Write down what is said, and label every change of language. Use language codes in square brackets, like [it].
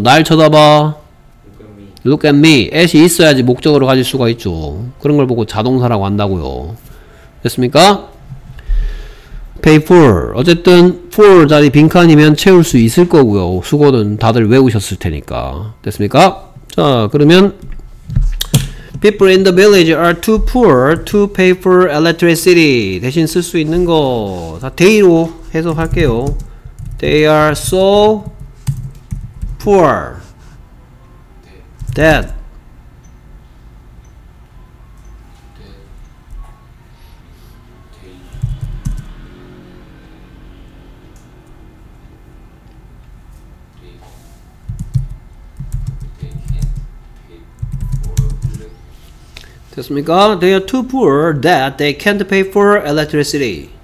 [ko] 날 쳐다봐. [en] Look at me. [ko] at이 있어야지 목적어를 가질 수가 있죠. 그런 걸 보고 자동사라고 한다고요. 됐습니까? [en] pay for. [ko] 어쨌든 for 자리 빈칸이면 채울 수 있을 거고요. 수고는 다들 외우셨을 테니까. 됐습니까? 자, 그러면 [en] people in the village are too poor to pay for electricity. [ko] 대신 쓸 수 있는 거 다 day로 해석할게요. [en] They are so poor that They are too poor that they can't pay for electricity.